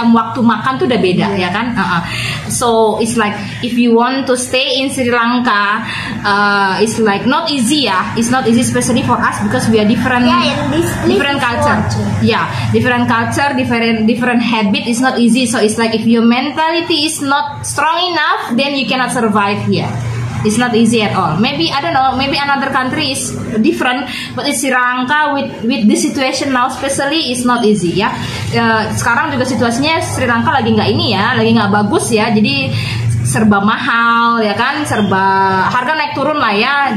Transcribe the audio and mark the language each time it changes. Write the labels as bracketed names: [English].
[Indonesian] Jam waktu makan tuh udah beda, ya kan? [English] So it's like if you want to stay in Sri Lanka, it's like not easy ya. It's not easy especially for us because we are different, yeah, different culture. Yeah, different culture, different habit. It's not easy. So it's like if your mentality is not strong enough, then you cannot survive here. It's not easy at all. Maybe, I don't know, maybe another country is different, but in Sri Lanka with this situation now especially, it's not easy ya. [Indonesian] Sekarang juga situasinya Sri Lanka lagi gak ini ya, lagi gak bagus ya, jadi serba mahal ya kan, serba harga naik turun lah ya.